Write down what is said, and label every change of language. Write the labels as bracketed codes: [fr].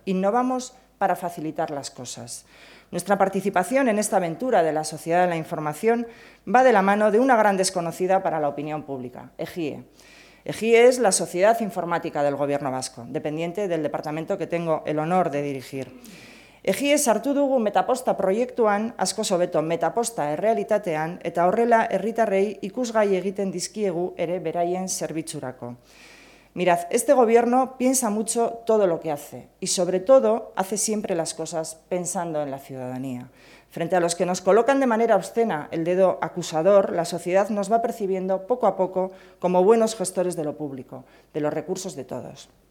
[es] Innovamos para facilitar las cosas. Nuestra participación en esta aventura de la sociedad de la información va de la mano de una gran desconocida para la opinión pública, EGIE. EGIE es la Sociedad Informática del Gobierno Vasco, dependiente del departamento que tengo el honor de dirigir. [eu] EGIE sartu dugu Metaposta proiektuan, askoz hobeto Metaposta errealitatean, eta horrela herritarrei ikusgai egiten dizkiegu ere beraien zerbitzurako. [es] Mirad, este gobierno piensa mucho todo lo que hace, y sobre todo hace siempre las cosas pensando en la ciudadanía. Frente a los que nos colocan de manera obscena el dedo acusador, la sociedad nos va percibiendo poco a poco como buenos gestores de lo público, de los recursos de todos.